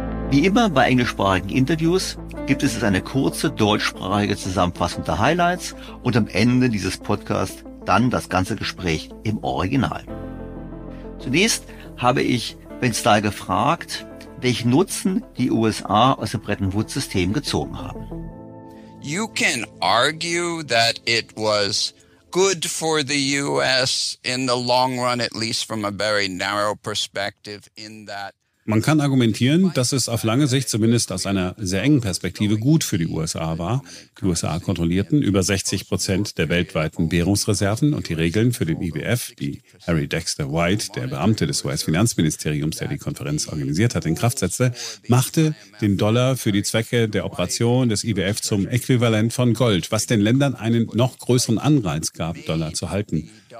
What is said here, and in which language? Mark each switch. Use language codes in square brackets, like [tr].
[de] Wie immer bei englischsprachigen Interviews gibt es eine kurze deutschsprachige Zusammenfassung der Highlights und am Ende dieses Podcasts dann das ganze Gespräch im Original. Zunächst habe ich Ben Style gefragt, welchen Nutzen die USA aus dem Bretton Woods-System gezogen haben. [en] You can argue that it was good for the US in the long run, at least from a very narrow perspective, in that. [de] Man kann argumentieren, dass es auf lange Sicht zumindest aus einer sehr engen Perspektive gut für die USA war. Die USA kontrollierten über 60% der weltweiten Währungsreserven und die Regeln für den IWF, die Harry Dexter White, der Beamte des US-Finanzministeriums, der die Konferenz organisiert hat, in Kraft setzte, machte den Dollar für die Zwecke der Operation des IWF zum Äquivalent von Gold, was den Ländern einen noch größeren Anreiz gab, Dollar zu halten.